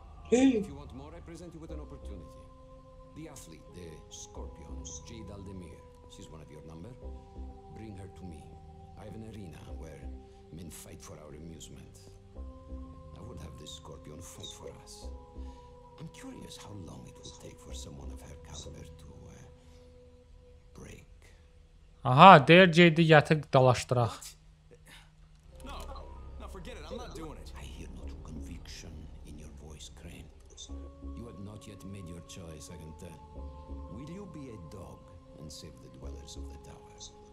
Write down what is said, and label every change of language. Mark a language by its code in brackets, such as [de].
[en] If you want more, I present you with an opportunity. The athlete, the Scorpions, Jade Aldemir. She's one of your number. Bring her to me. I have an arena where men fight for our amusement. I would have the Scorpion fight for us. I'm curious how long it will take for someone of her caliber to break. [az] Aha, deyir Jade'i yatıq dalaşdıraq. [en] No, no, forget it, I'm not doing it. I hear no true conviction in your voice, Crane. You have not yet made your choice, I can tell. Will you be a dog and save the dwellers of the towers?